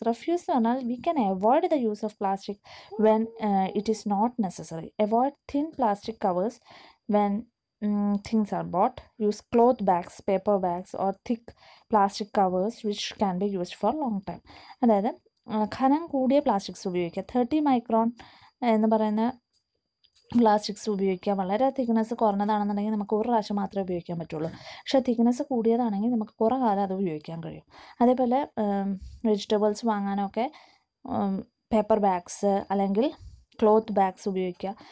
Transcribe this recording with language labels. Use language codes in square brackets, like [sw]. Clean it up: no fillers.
[en] Refuse [ml] എന്ന് പറഞ്ഞാൽ [en] We can avoid the use of plastic when it is not necessary. Avoid thin plastic covers when things are bought. Use cloth bags, paper bags or thick plastic covers which can be used for a long time. [ml] അതായത് കനം കൂടിയ plastics ഉപയോഗിക്കുക. 30 micron എന്ന് പറയുന്ന plastics ഉപയോഗിക്കുക. വളരെ thickness കുറഞ്ഞതാണെന്നുണ്ടെങ്കിൽ നമുക്ക് ഒരു പ്രാവശ്യം മാത്രമേ ഉപയോഗിക്കാൻ പറ്റുള്ളൂ. പക്ഷേ തിക്നെസ് കൂടിയതാണെങ്കിൽ നമുക്ക് കുറേ കാലം അത് ഉപയോഗിക്കാൻ കഴിയും. അതേപോലെ വെജിറ്റബിൾസ് വാങ്ങാനൊക്കെ പേപ്പർ ബാഗ്സ് അല്ലെങ്കിൽ ക്ലോത്ത് ബാഗ്സ് ഉപയോഗിക്കുക.